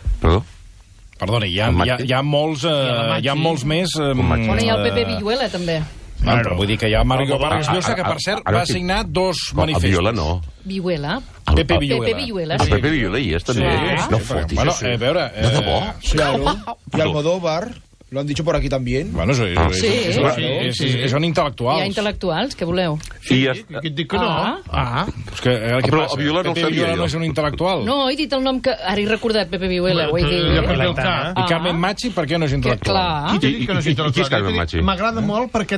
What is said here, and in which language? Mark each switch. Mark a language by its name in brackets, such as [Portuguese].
[Catalan] Perdó? Perdona, hi ha molts més... Hi ha el Pepe Villuela, també. Bueno, vull dir que hi ha Mario Vargas Llosa, que per cert va signar dos manifestos. El Villuela no. Villuela. Pepe Villuela. El Pepe Villuela hi és, també. No fotis això. Bueno, a veure... De debò? [Spanish] I Almodóvar, lo han dicho por aquí también. [Catalan] Bueno, sí. Sí. Són intel·lectuals. Hi ha intel·lectuals, què voleu? Sí, et dic que no. Però el Villuela no el sabia. Pepe Villuela no és un intel·lectual. No, he dit el nom que... Ara he recordat Pepe Villuela, ho he dit. I Carmen Machi, per què no és intel·lectual? Clar. Qui t'ha dit que no és intel·lectual? Qui és Carmen Machi? M'agrada molt perquè...